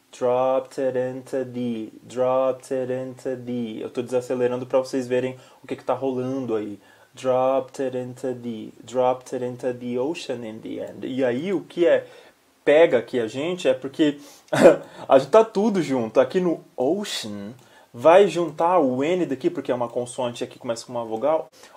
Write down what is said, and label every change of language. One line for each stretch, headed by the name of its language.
Portuguese: Eu estou desacelerando para vocês verem o que que está rolando aí.
English: Dropped it into the ocean in the end.
Portuguese: E aí, o que é pega aqui a gente é porque a gente tá tudo junto. Aqui no ocean, vai juntar o N daqui, porque é uma consoante aqui, começa com uma vogal.